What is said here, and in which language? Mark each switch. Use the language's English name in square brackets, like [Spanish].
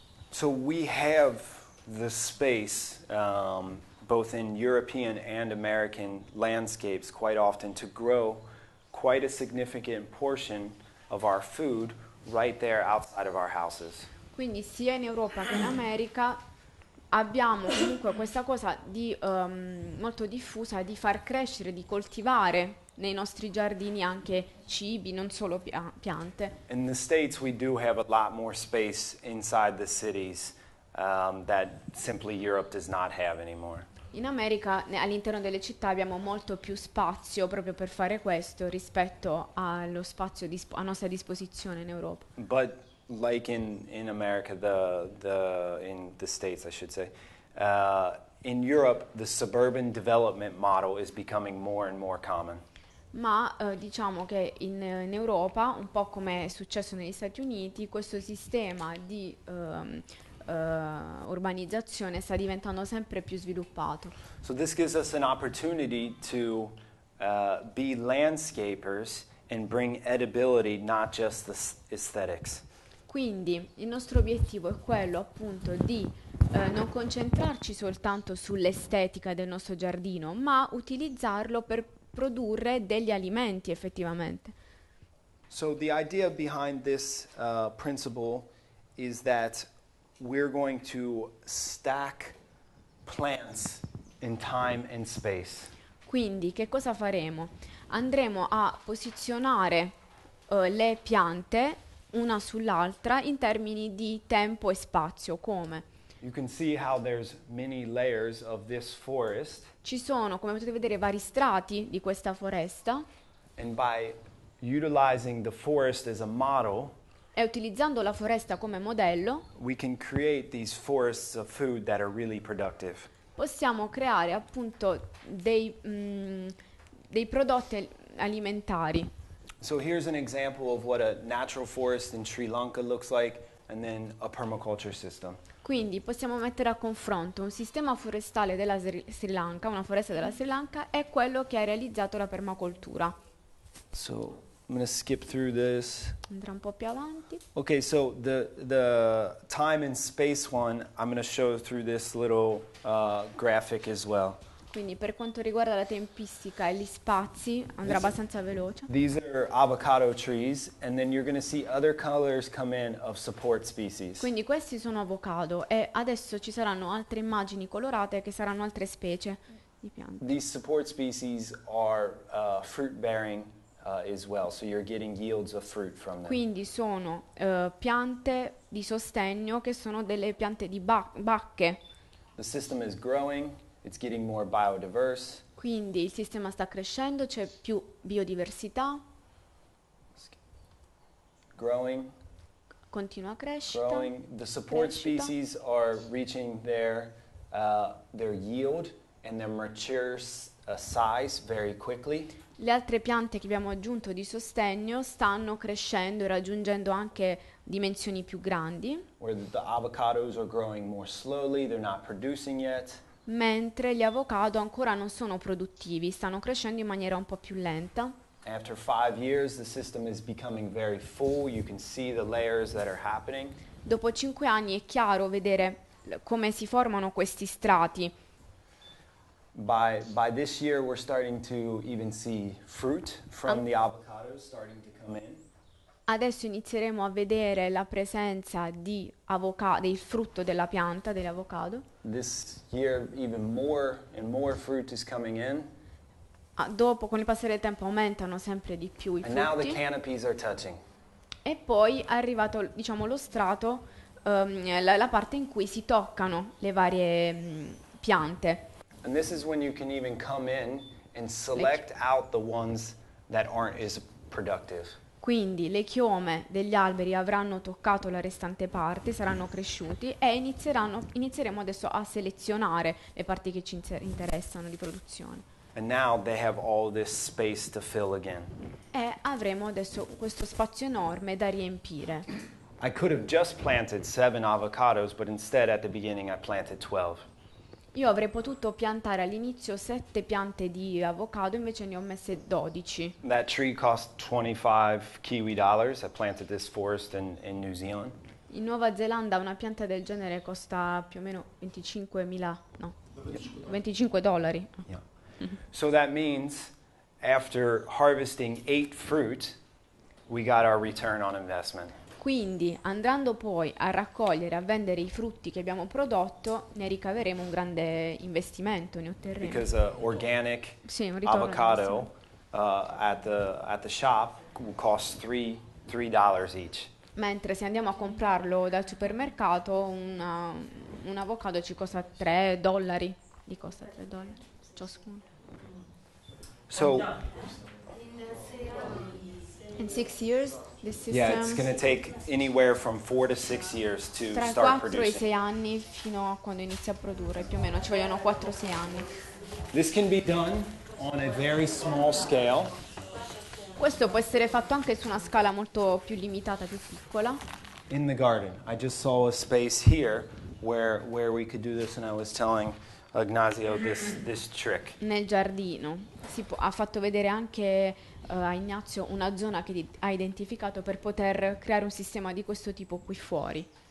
[English] So we have the space both in European and American landscapes quite often to grow quite a significant portion of our food right there outside of our houses. [Italian] Quindi sia in Europa che in America abbiamo comunque questa cosa di molto diffusa di far crescere, di coltivare nei nostri giardini anche cibi, non solo piante. [English] In the States we do have a lot more space inside the cities that simply Europe does not have anymore. [Italian] In America, all'interno delle città, abbiamo molto più spazio proprio per fare questo rispetto allo spazio a nostra disposizione in Europa. [English] But like in America, in the States, I should say, in Europe the suburban development model is becoming more and more common. [Italian] Ma diciamo che in Europa, un po' come è successo negli Stati Uniti, questo sistema di urbanizzazione sta diventando sempre più sviluppato. [English] So this gives us an opportunity to be landscapers and bring edibility, not just the aesthetics. [Italian] Quindi il nostro obiettivo è quello appunto di non concentrarci soltanto sull'estetica del nostro giardino, ma utilizzarlo per produrre degli alimenti effettivamente. [English] So the idea behind this principle is that we're going to stack plants in time and space. [Italian] Quindi che cosa faremo? andremo a posizionare le piante una sull'altra in termini di tempo e spazio. Come? [English] You can see how there's many layers of this forest. [Italian] Ci sono, come potete vedere, vari strati di questa foresta. [English] And by utilizing the forest as a model, [Italian] e utilizzando la foresta come modello, [English] we can create these forests of food that are really productive. [Italian] Possiamo creare appunto dei prodotti alimentari. [English] So here's an example of what a natural forest in Sri Lanka looks like, and then a permaculture system. [Italian] Quindi possiamo mettere a confronto un sistema forestale della Sri Lanka, una foresta della Sri Lanka, e quello che ha realizzato la permacultura. [English] So I'm going to skip through this. [Italian] Andrà un po' più avanti. [English] Okay, so the time and space one, I'm going to show through this little graphic as well. [Italian] Quindi per quanto riguarda la tempistica e gli spazi, andrà abbastanza veloce. [English] These are avocado trees, and then you're going to see other colors come in of support species. [Italian] Quindi questi sono avocado, e adesso ci saranno altre immagini colorate che saranno altre specie di piante. [English] These support species are fruit-bearing as well, so you're getting yields of fruit from them. [Italian] Quindi sono piante di sostegno che sono delle piante di bacche. [English] The system is growing. It's getting more biodiverse. [Italian] Quindi il sistema sta crescendo, c'è più biodiversità. [English] Growing. [Italian] Continua a crescere. [English] Growing. The support [Italian] crescita. [English] Species are reaching their yield and their mature size very quickly. [Italian] Le altre piante che abbiamo aggiunto di sostegno stanno crescendo e raggiungendo anche dimensioni più grandi. [English] Where the avocados are growing more slowly, they're not producing yet. [Italian] Mentre gli avocado ancora non sono produttivi, stanno crescendo in maniera un po' più lenta. [English] After 5 years, the system is becoming very full. You can see the layers that are happening. [Italian] Dopo 5 anni è chiaro vedere come si formano questi strati. [English] By this year we're starting to even see fruit from the avocados starting to come in. [Italian] Adesso inizieremo a vedere la presenza di del frutto della pianta, dell'avocado. [English] This year even more and more fruit is coming in. [Italian] Dopo, con il passare del tempo, aumentano sempre di più i [English] and [Italian] frutti. [English] Now the canopies are touching. [Italian] E poi è arrivato, diciamo, lo strato, la parte in cui si toccano le varie piante. [English] And this is when you can even come in and select out the ones that aren't as productive. [Italian] Quindi le chiome degli alberi avranno toccato la restante parte, saranno cresciuti e inizieremo adesso a selezionare le parti che ci interessano di produzione. [English] And now they have all this space to fill again. [Italian] E avremo adesso questo spazio enorme da riempire. [English] I could have just planted 7 avocados, but instead at the beginning I planted 12. [Italian] Io avrei potuto piantare all'inizio 7 piante di avocado, invece ne ho messe 12. [English] That tree cost 25 Kiwi dollars. I planted this forest in New Zealand. [Italian] In Nuova Zelanda una pianta del genere costa più o meno 25.000, no. 25 dollari. [English] Yeah. So that means after harvesting 8 fruit, we got our return on investment. [Italian] Quindi, andando poi a raccogliere, a vendere i frutti che abbiamo prodotto, ne ricaveremo un grande investimento, ne otterremo. [English] Because an organic avocado at the shop costs $3 each. [Italian] Mentre se andiamo a comprarlo dal supermercato, un avocado ci costa $3. Gli costa $3 ciascuno. [English] So, in 6 years, this system. Yeah, it's going to take anywhere from 4 to 6 years to start producing. [Italian] Tra 4 e 6 anni fino a quando inizia a produrre, più o meno, ci vogliono 4-6 anni. [English] This can be done on a very small scale. [Italian] Questo può essere fatto anche su una scala molto più limitata, più piccola. [English] In the garden, I just saw a space here where we could do this, and I was telling Ignazio this trick. [Italian] Nel giardino, ha fatto vedere anche a Ignazio una zona che ha identificato per poter creare un sistema di questo tipo qui fuori.